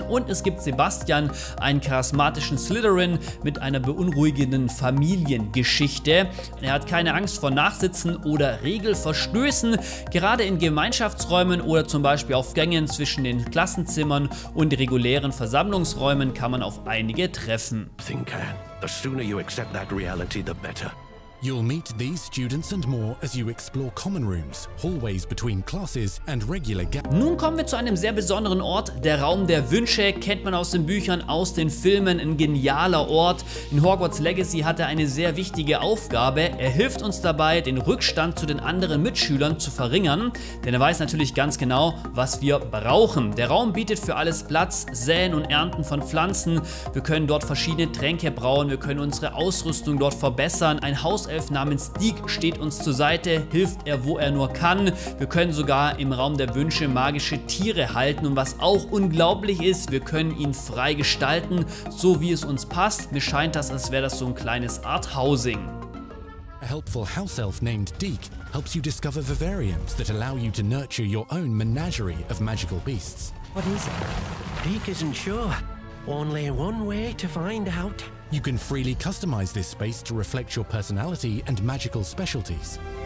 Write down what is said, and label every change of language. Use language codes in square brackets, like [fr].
[de] Und es gibt Sebastian, einen charismatischen Slytherin mit einer beunruhigenden Familie. Geschichte. Er hat keine Angst vor Nachsitzen oder Regelverstößen. Gerade in Gemeinschaftsräumen oder zum Beispiel auf Gängen zwischen den Klassenzimmern und regulären Versammlungsräumen kann man auf einige treffen. [en] Think, the sooner you accept that reality, the better. You'll meet these students and more as you explore common rooms, hallways between classes and regular gatherings. [de] Nun kommen wir zu einem sehr besonderen Ort, der Raum der Wünsche. Kennt man aus den Büchern, aus den Filmen, ein genialer Ort. In Hogwarts Legacy hat er eine sehr wichtige Aufgabe. Er hilft uns dabei, den Rückstand zu den anderen Mitschülern zu verringern, denn er weiß natürlich ganz genau, was wir brauchen. Der Raum bietet für alles Platz, Säen und Ernten von Pflanzen. Wir können dort verschiedene Tränke brauen, wir können unsere Ausrüstung dort verbessern. Ein Hauself namens Deke steht uns zur Seite, hilft er, wo er nur kann. Wir können sogar im Raum der Wünsche magische Tiere halten und was auch unglaublich ist, wir können ihn frei gestalten, so wie es uns passt. Mir scheint das, als wäre das so ein kleines Art-Housing. [en] A helpful house elf named Deke helps you discover vivariums that allow you to nurture your own menagerie of magical beasts. What is it? Deke isn't sure. Only one way to find out. You can freely customize this space to reflect your personality and magical specialties.